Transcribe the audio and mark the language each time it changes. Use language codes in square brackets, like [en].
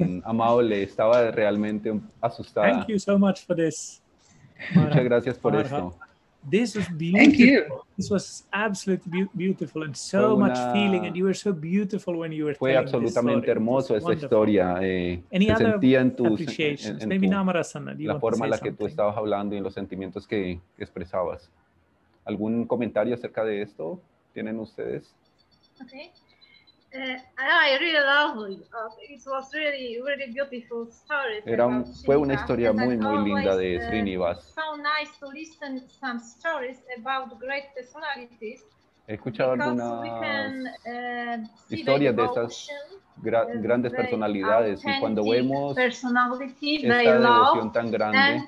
[es] Amable, estaba realmente asustada. [en] Thank you so much for this. [es] Muchas gracias por esto. [en] This was beautiful. Thank you. This was absolutely beautiful and so much feeling, and you were so beautiful when you were telling this story. [es] Fue absolutamente hermoso esta historia. [en] Any other appreciations? Maybe Namarasana, do you want to say [es] la que tú estabas hablando y los sentimientos que expresabas. ¿Algún comentario acerca de esto? ¿Tienen ustedes? [en] Okay. I really love it. It was really, really beautiful story. [es] Fue una historia muy, muy linda de Srinivas. [en] So nice to listen some stories about great personalities. [es] He escuchado algunas historias de estas grandes personalidades, y cuando vemos esta devoción tan grande